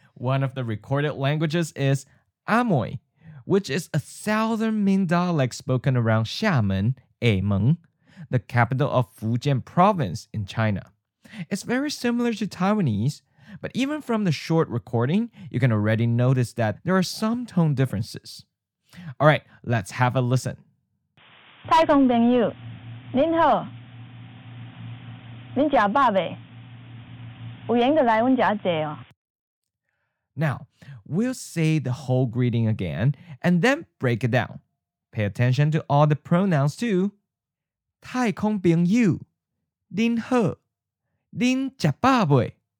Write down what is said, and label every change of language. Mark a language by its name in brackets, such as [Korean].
[English] One of the recorded languages is Amoy, which is a southern Min dialect spoken around Xiamen, Emeng, the capital of Fujian province in China. It's very similar to Taiwanese, but even from the short recording, you can already notice that there are some tone differences. All right, let's have a listen. [Min Nan Chinese] 太空朋友，您好，您吃饱未？有闲就来阮家坐哦。 [English] Now, we'll say the whole greeting again and then break it down. Pay attention to all the pronouns too. [Min Nan Chinese] 太空朋友，您好，您吃饱未？